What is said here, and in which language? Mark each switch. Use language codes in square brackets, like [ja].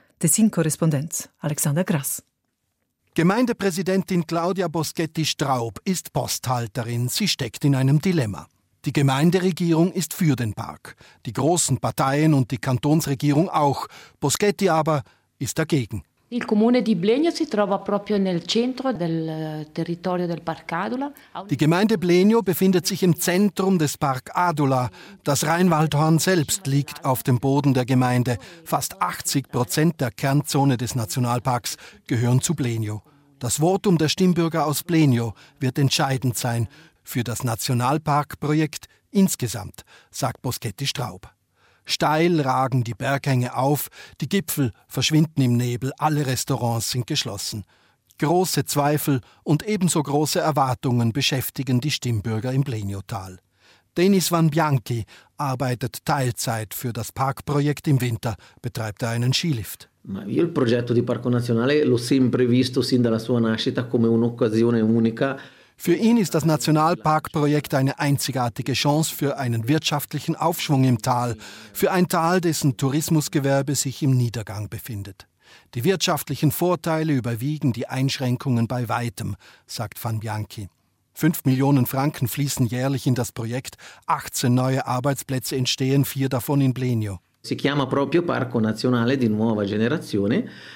[de] Tessin-Korrespondent Alexander Grass. Gemeindepräsidentin Claudia Boschetti-Straub ist Posthalterin. Sie steckt in einem Dilemma. Die Gemeinderegierung ist für den Park. Die großen Parteien und die Kantonsregierung auch. Boschetti aber ist dagegen. [it] Il comune di Blenio si trova proprio nel centro del territorio del Park Adula. [de] Die Gemeinde Blenio befindet sich im Zentrum des Park Adula. Das Rheinwaldhorn selbst liegt auf dem Boden der Gemeinde. Fast 80% der Kernzone des Nationalparks gehören zu Blenio. Das Votum der Stimmbürger aus Blenio wird entscheidend sein für das Nationalparkprojekt insgesamt, sagt Boschetti Straub. Steil ragen die Berghänge auf, die Gipfel verschwinden im Nebel, alle Restaurants sind geschlossen. Große Zweifel und ebenso große Erwartungen beschäftigen die Stimmbürger im Blenio-Tal. Denis Van Bianchi arbeitet Teilzeit für das Parkprojekt, im Winter betreibt er einen Skilift. [it] Io il progetto di Parco Nazionale l'ho sempre visto sin dalla sua nascita come un'occasione unica. [de] Für ihn ist das Nationalparkprojekt eine einzigartige Chance für einen wirtschaftlichen Aufschwung im Tal, für ein Tal, dessen Tourismusgewerbe sich im Niedergang befindet. Die wirtschaftlichen Vorteile überwiegen die Einschränkungen bei weitem, sagt Van Bianchi. 5 Millionen Franken fließen jährlich in das Projekt, 18 neue Arbeitsplätze entstehen, 4 davon in Blenio. [it] Si chiama proprio Parco Nazionale di Nuova Generazione.